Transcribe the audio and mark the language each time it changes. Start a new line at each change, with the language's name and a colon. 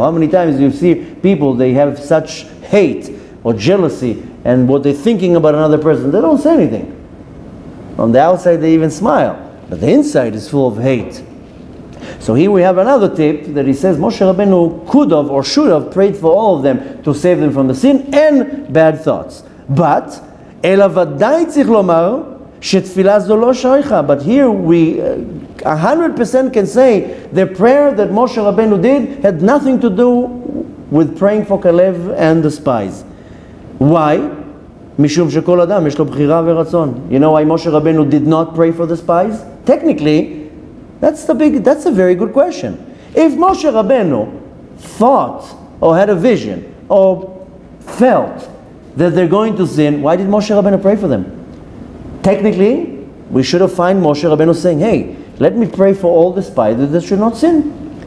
English: How many times do you see people, they have such hate or jealousy, and what they're thinking about another person, they don't say anything. On the outside they even smile, but the inside is full of hate. So here we have another tip that he says Moshe Rabbeinu could have or should have prayed for all of them to save them from the sin and bad thoughts.
Hebrew: But אלא ודאי צריך לומר שתפילה זו לא שייכה.
English: But here we 100% can say the prayer that Moshe Rabbeinu did had nothing to do with praying for Kalev and the spies. Why?
Hebrew: משום שכל אדם יש לו בחירה ורצון.
English: You know why Moshe Rabbeinu did not pray for the spies? Technically, that's a very good question. If Moshe Rabbeinu thought or had a vision or felt that they're going to sin, why did Moshe Rabbeinu pray for them? Technically, we should have found Moshe Rabbeinu saying, hey, let me pray for all the spies that they should not sin.